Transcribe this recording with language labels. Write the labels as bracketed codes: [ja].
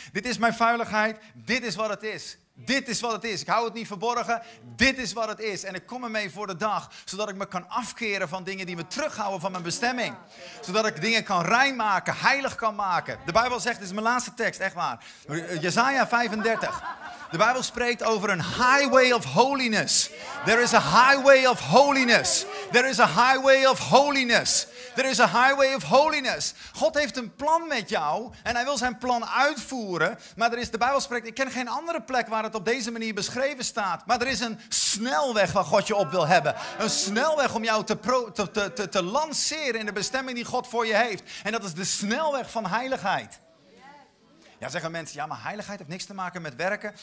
[nl] Dit is mijn vuiligheid. Dit is wat het is. Dit is wat het is. Ik hou het niet verborgen. Dit is wat het is. En ik kom ermee voor de dag. Zodat ik me kan afkeren van dingen die me terughouden van mijn bestemming. Zodat ik dingen kan reinmaken. Heilig kan maken. De Bijbel zegt, dit is mijn laatste tekst, echt waar. Jesaja 35. De Bijbel spreekt over een highway of holiness. [en] There is a highway of holiness. There is a highway of holiness. There is a highway of holiness. [nl] God heeft een plan met jou en hij wil zijn plan uitvoeren. Maar de Bijbel spreekt, ik ken geen andere plek waar het op deze manier beschreven staat. Maar er is een snelweg waar God je op wil hebben. Een snelweg om jou te lanceren in de bestemming die God voor je heeft. En dat is de snelweg van heiligheid. Ja, zeggen mensen, ja, maar heiligheid heeft niks te maken met werken.